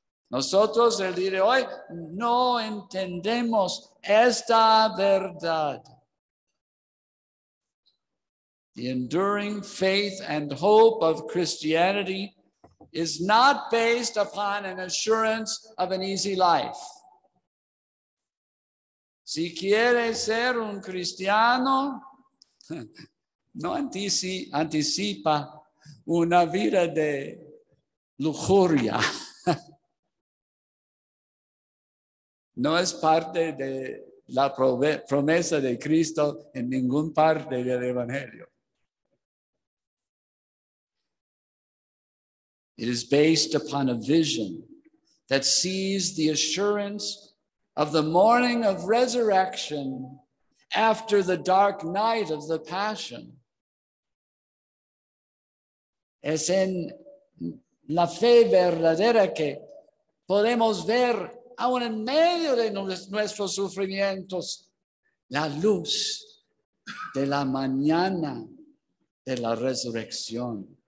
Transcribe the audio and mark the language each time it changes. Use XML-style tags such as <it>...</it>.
<es>Nosotros el día de hoy no entendemos esta verdad.</es> <en>The enduring faith and hope of Christianity is not based upon an assurance of an easy life.</en> <es>Si quieres ser un cristiano, no anticipa una vida de lujuria. No es parte de la promesa de Cristo en ningún parte del Evangelio.</es> <en>It is based upon a vision that sees the assurance of the morning of resurrection after the dark night of the passion.</en> <es>Es en la fe verdadera que podemos ver aún en medio de nuestros sufrimientos, la luz de la mañana de la resurrección.</es>